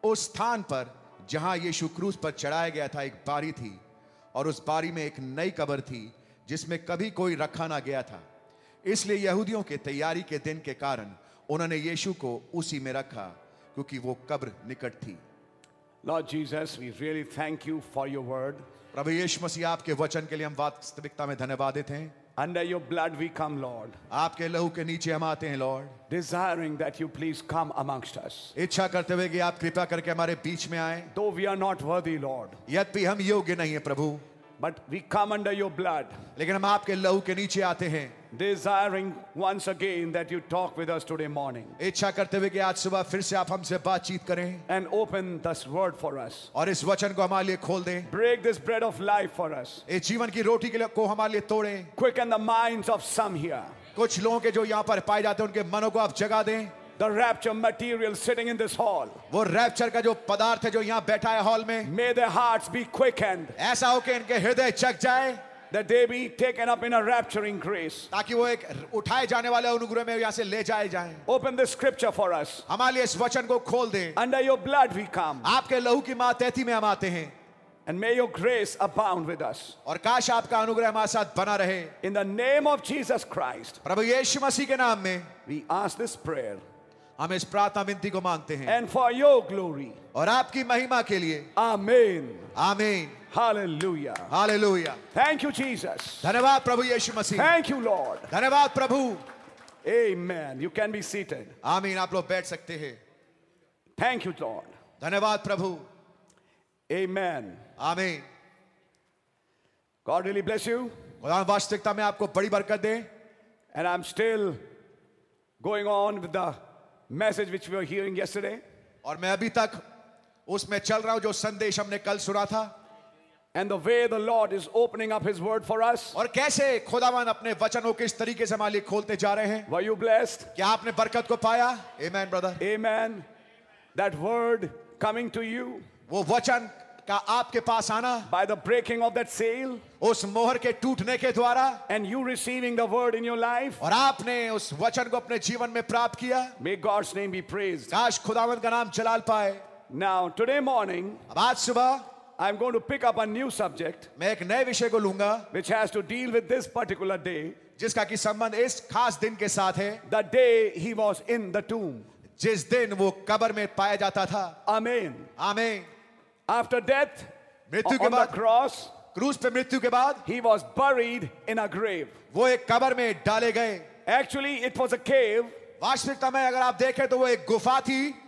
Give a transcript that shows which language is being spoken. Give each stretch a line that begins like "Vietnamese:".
Hindi: उस स्थान पर जहां यीशु क्रूस पर चढ़ाया गया था एक बारी थी और उस बारी में एक नई कब्र थी जिसमें कभी कोई रखा ना गया था. इसलिए यहूदियों के तैयारी के दिन के कारण उन्होंने यीशु को उसी में रखा क्योंकि वो कब्र निकट थी.
English: Lord Jesus, we really thank you for your word.
Hindi: प्रभु यीशु मसीह आपके वचन के लिए हम वास्तविकता में धन्यवादित हैं.
English: Under your blood we come, Lord.
Hindi: आपके लहू के नीचे हम आते हैं, Lord.
English: Desiring that you please come amongst us.
Hindi: इच्छा करते हुए कि आप कृपा करके हमारे बीच में आएं.
English: Though we are not worthy, Lord.
Hindi: यद भी हम योग्य नहीं है प्रभु.
English: But we come under your blood.
Hindi: लेकिन हम आपके लहू के नीचे आते हैं.
English: Desiring once again that you talk with us today morning.
Hindi: इच्छा करते हुए कि आज सुबह फिर से आप हमसे बातचीत करें.
English: And open this word for us.
Hindi: और इस वचन को हमारे लिए खोल दें.
English: Break this bread of life for us.
Hindi: इस जीवन की रोटी के लिए को हमारे लिए तोड़ें.
English: Quicken the minds of some here.
Hindi: कुछ लोगों के जो यहाँ पर पाए जाते हैं उनके मनों को आप जगा दें.
English: The rapture material sitting in this hall.
Hindi: वो रैप्चर का जो पदार्थ है जो यहाँ बैठा है हॉल में.
English: May their hearts be quickened.
Hindi: ऐसा हो कि इनके हृदय चक जाए.
English: That they be taken up in a rapturing grace.
Hindi: ताकि वो एक उठाए जाने वाले अनुग्रह में यहाँ से ले जाए जाएं.
English: Open the scripture for us.
Hindi: हमारे लिए इस वचन को खोल दें.
English: Under your blood we come.
Hindi: आपके लहू की मातहती में हम आते हैं.
English: And may your grace abound with us.
Hindi: और काश आपका अनुग्रह हमारे साथ बना रहे.
English: In the name of Jesus Christ.
Hindi: प्रभु यीशु मसीह के नाम में.
English: We ask this prayer.
Hindi: हम इस प्रार्थना विनती को मांगते हैं.
English: And for your glory.
Hindi: और आपकी महिमा के लिए.
English: Amen. Amen. Hallelujah. Hallelujah. Thank you, Jesus.
Hindi: धन्यवाद प्रभु यीशु मसीह.
English: Thank you, Lord.
Hindi: धन्यवाद प्रभु.
English: Amen. You can be seated.
Hindi: Amen. आप लोग बैठ सकते हैं.
English: Thank you, Lord.
Hindi: धन्यवाद प्रभु.
English: Amen. Amen. God really bless you.
Hindi: खुदा वास्तविकता में आपको बड़ी बरकत दे.
English: And I'm still going on with the message which we were hearing yesterday.
Hindi: और मैं अभी तक उसमें चल रहा हूं जो संदेश हमने कल सुना था.
English: And the way the Lord is opening up His Word for us.
Hindi: और कैसे खुदावन अपने वचनों के इस तरीके से हमारे लिए खोलते जा रहे हैं.
English: Were you blessed?
Hindi: क्या आपने बरकत को पाया?
English: Amen, brother. Amen. That word coming to you.
Hindi: वो वचन का आपके पास आना.
English: By the breaking of that seal.
Hindi: उस मोहर के टूटने के द्वारा.
English: And you receiving the word in your life.
Hindi: और आपने उस वचन को अपने जीवन में प्राप्त किया.
English: May God's name be praised.
Hindi: काश खुदावन का नाम जलाल पाए.
English: Now today morning.
Hindi: अब आज सुबह.
English: I'm going to pick up a new subject.
Hindi: मैं एक नए विषय को लूंगा.
English: Which has to deal with this particular day.
Hindi: जिसका कि संबंध इस खास दिन के साथ है.
English: The day he was in the tomb.
Hindi: जिस दिन वो कब्र में पाया जाता था.
English: Amen. Amen. After death.
Hindi: मृत्यु के बाद.
English: On the cross.
Hindi: क्रूस पे मृत्यु के बाद.
English: He was buried in a grave.
Hindi: वो एक कब्र में डाले गए.
English: Actually, it was a cave.
Hindi: वास्तविकता में अगर आप देखें तो वो एक गुफा थी.